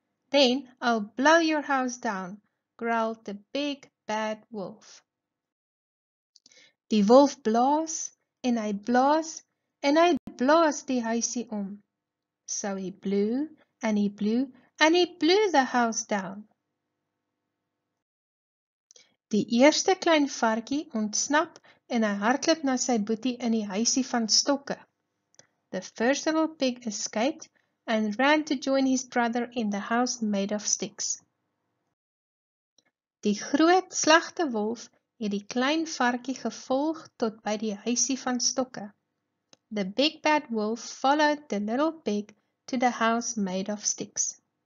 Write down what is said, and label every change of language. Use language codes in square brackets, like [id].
[en] Then I'll blow your house down, growled the big bad wolf. [af] Die wolf blaas en hy blaas en hy blaas die huisie om. [en] So he blew and he blew and he blew the house down. [af] Die eerste klein varkie ontsnap en hy hardloop na sy boetie in die huisie van stokke. [en] The first little pig escaped and ran to join his brother in the house made of sticks. [af] Die groot slegte wolf het die klein varkie gevolg tot by die huisie van stokke. [en] The big bad wolf followed the little pig to the house made of sticks.